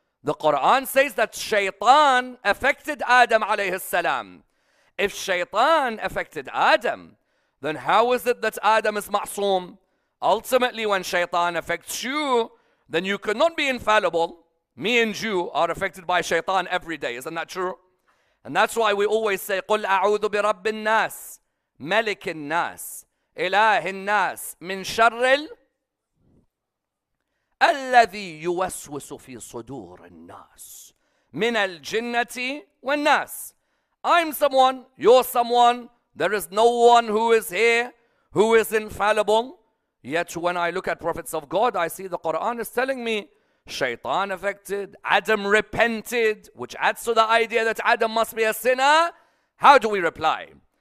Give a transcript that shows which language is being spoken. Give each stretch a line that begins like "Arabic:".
English: The Quran says that shaitan affected Adam alayhi salam. If shaitan affected Adam, then how is it that Adam is ma'soom? Ultimately, when shaitan affects you, then you cannot be infallible. Me and you are affected by shaitan every day. Isn't that true? And that's why we always say,
Arabic: قُلْ أَعُوذُ بِرَبِّ النَّاسِ ملك الناس إله الناس من شر الذي يوسوس في صدور الناس من الجنة والناس.
English: I'm someone, you're someone, there is no one who is here who is infallible. Yet when I look at prophets of God, I see the Quran is telling me shaitan affected, Adam repented, which adds to the idea that Adam must be a sinner. How do we reply?